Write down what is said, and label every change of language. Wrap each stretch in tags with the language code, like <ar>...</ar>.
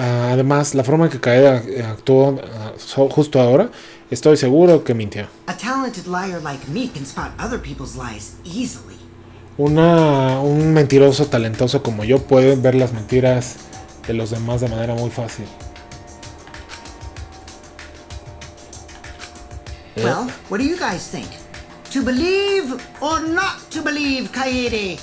<es>Además, la forma en que Kaede actuó justo ahora, estoy seguro que mintió.</es> <en>A talented liar like me can spot other people's lies easily.</en> <es>Un mentiroso talentoso como yo puede ver las mentiras de los demás de manera muy fácil.</es> <en>Well, what do you guys think? To believe or not to believe, Kaede?</en>